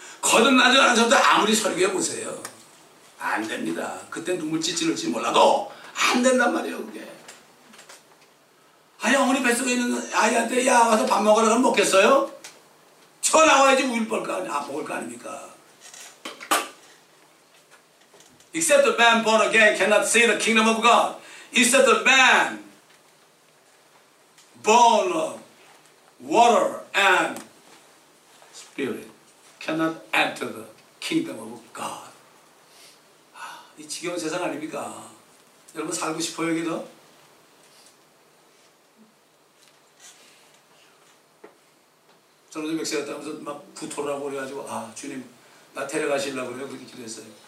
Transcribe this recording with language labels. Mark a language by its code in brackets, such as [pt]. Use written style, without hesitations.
[ko] 거듭나지 않은 사람도 아무리 설교해 보세요. 안 됩니다. 그때 눈물 찌찔을지 몰라도, 안 된단 말이에요, 그게. 아니, 어머니 뱃속에 있는 아이한테, 야, 와서 밥 먹으라 그러면 먹겠어요? 저 나와야지 우유 볼 거 아니야. 아, 먹을 거 아닙니까? [en] Except the man born again cannot see the kingdom of God. Except the man born of water and spirit cannot enter the kingdom of God. [ko] 아, 이 지겨운 세상 아닙니까? 여러분 살고 싶어요 여기도? 저는 좀 맥세였다면서 막 구토를 하고 그래가지고 아 주님 나 데려가시려고 그래요 그렇게 기도했어요.